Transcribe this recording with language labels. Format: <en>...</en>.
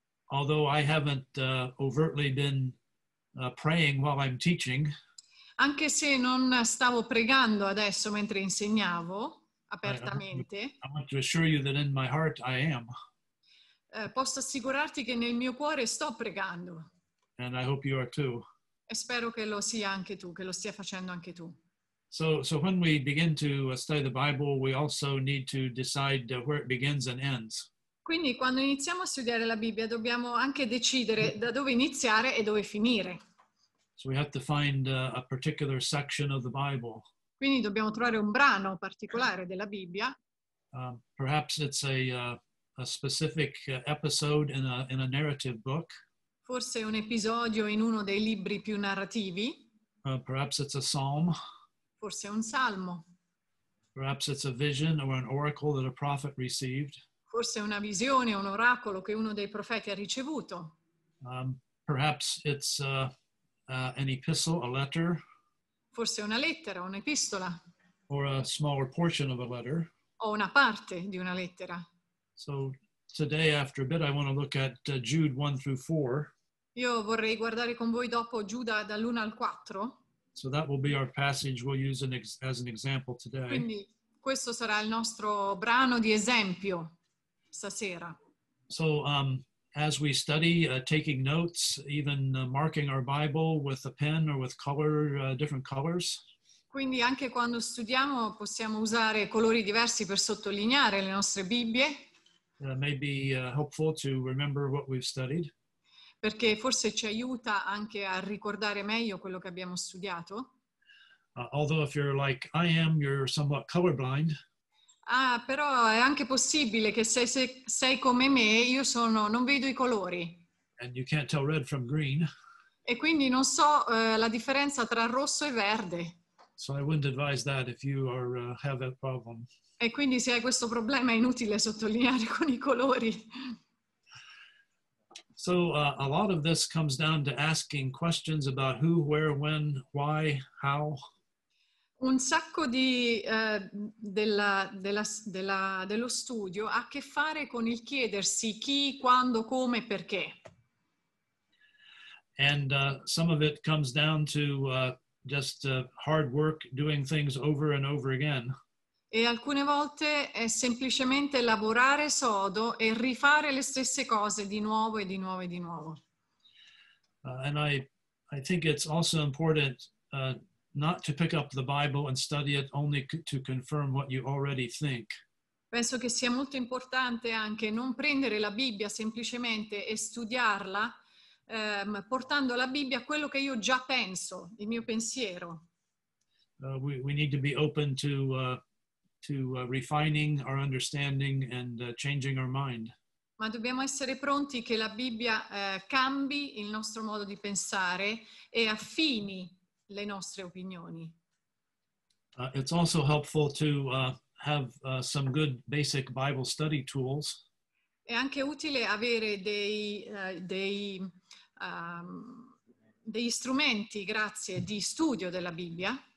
<en>Although I haven't overtly been praying while I'm teaching,</en> <it>anche se non stavo pregando adesso mentre insegnavo apertamente,</it> <en>I want to assure you that in my heart I am.</en> <it>Posso assicurarti che nel mio cuore sto pregando.</it> <en>And I hope you are too.</en> <it>E spero che lo sia anche tu, che lo stia facendo anche tu.</it> <en>So when we begin to study the Bible, we also need to decide where it begins and ends.</en> <it>Quindi quando iniziamo a studiare la Bibbia dobbiamo anche decidere da dove iniziare e dove finire.</it> <en>So we have to find a particular section of the Bible.</en> <it>Quindi dobbiamo trovare un brano particolare della Bibbia.</it> <en>Perhaps it's a specific episode in a narrative book.</en> <it>Forse un episodio in uno dei libri più narrativi.</it> <en>Perhaps it's a psalm.</en> <it>Forse un salmo.</it> <en>Perhaps it's a vision or an oracle that a prophet received.</en> <it>Forse è una visione o un oracolo che uno dei profeti ha ricevuto.</it> <en>Perhaps it's an epistle, a letter.</en> <it>Forse una lettera, un'epistola.</it> <en>Or a smaller portion of a letter.</en> <it>O una parte di una lettera.</it> <en>So today, after a bit, I want to look at Jude 1 through 4.</en> <it>Io vorrei guardare con voi dopo Giuda dall'1 al 4.</it> <en>So that will be our passage we'll use as an example today.</en> <it>Quindi questo sarà il nostro brano di esempio stasera.</it> <en>So as we study, taking notes, even marking our Bible with a pen or with color, different colors.</en> <it>Quindi anche quando studiamo possiamo usare colori diversi per sottolineare le nostre Bibbie.</it> <en>Maybe helpful to remember what we've studied.</en> <it>Perché forse ci aiuta anche a ricordare meglio quello che abbiamo studiato.</it> <en>Although if you're like I am, you're somewhat colorblind.</en> <it>Ah, però è anche possibile che sei come me, io sono non vedo i colori.</it> <en>And you can't tell red from green.</en> <it>E quindi non so la differenza tra rosso e verde.</it> <en>So I wouldn't advise that if you are have that problem.</en> <it>E quindi se hai questo problema è inutile sottolineare con i colori.</it> <en>So a lot of this comes down to asking questions about who, where, when, why, how.</en> <it>Un sacco di dello studio ha a che fare con il chiedersi chi, quando, come, perché.</it> <en>And some of it comes down to just hard work doing things over and over again.</en> <it>E alcune volte è semplicemente lavorare sodo e rifare le stesse cose di nuovo e di nuovo e di nuovo.</it> <en>And I think it's also important not to pick up the Bible and study it only to confirm what you already think.</en> <it>Penso che sia molto importante anche non prendere la Bibbia semplicemente e studiarla, portando la Bibbia a quello che io già penso, il mio pensiero.</it> <en>We need to be open to refining our understanding and changing our mind.</en> <it>Ma dobbiamo essere pronti che la Bibbia cambi il nostro modo di pensare e affini le nostre opinioni.</it> <en>It's also helpful to have some good basic Bible study tools.</en> <it>È anche utile avere degli strumenti, grazie, di studio della Bibbia.</it>